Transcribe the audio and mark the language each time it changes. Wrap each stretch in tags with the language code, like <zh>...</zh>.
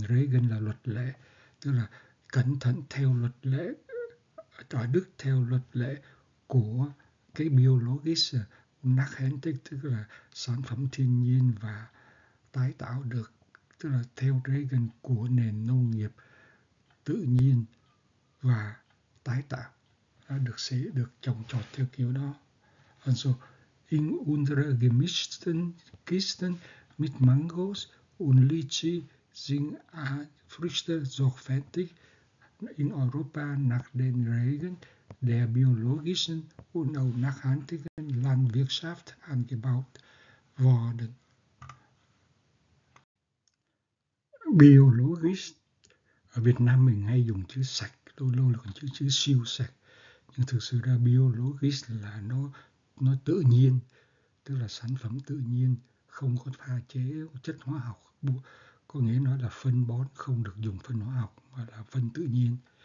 <vi>Regeln là luật lệ, tức là cẩn thận theo luật lệ ở Đức, theo luật lệ của cái biologist. Nachhaltig tức là sản phẩm thiên nhiên và tái tạo được, tức là theo Regeln của nền nông nghiệp tự nhiên và tái tạo, được trồng trọt theo kiểu đó.</vi> <de>Also, in unserer gemischten Kisten mit Mangos und Lychee sind Früchte sorgfältig in Europa nach den Regeln der biologischen und auch nachhaltigen Landwirtschaft angebaut worden.</de> <vi>Biologisch, ở Việt Nam mình hay dùng chữ sạch, tôi lâu là còn chữ chữ siêu sạch, nhưng thực sự ra biologisch là nó tự nhiên, tức là sản phẩm tự nhiên, không có pha chế chất hóa học, có nghĩa nó là phân bón không được dùng phân hóa học mà là phân tự nhiên.</vi>